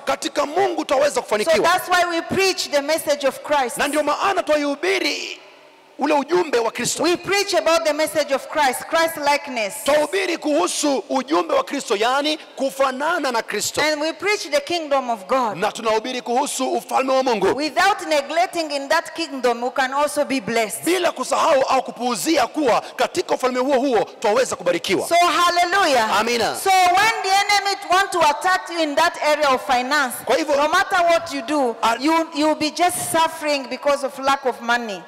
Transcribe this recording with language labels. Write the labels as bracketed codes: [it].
[sw] Katika Mungu tuweza kufanikiwa. [en] So that's why we preach the message of Christ. [sw] Na ndio maana tuhubiri ule ujumbe wa Kristo. [en] We preach about the message of Christ, Christ likeness. [sw] Tuhubiri kuhusu ujumbe wa Kristo, yani kufanana na Kristo. [en] And we preach the kingdom of God. [sw] Na tunahubiri kuhusu ufalme wa Mungu. [en] Without neglecting in that kingdom we can also be blessed. [sw] Bila kusahau au kupuuzia kuwa katika ufalme huo huo tuweza kubarikiwa. [en] So hallelujah. [sw] Amina. [en] So when the enemy want to attack you in that area of finance, [sw] kwa hivyo, [en] no matter what you do, you'll be just suffering because of lack of money.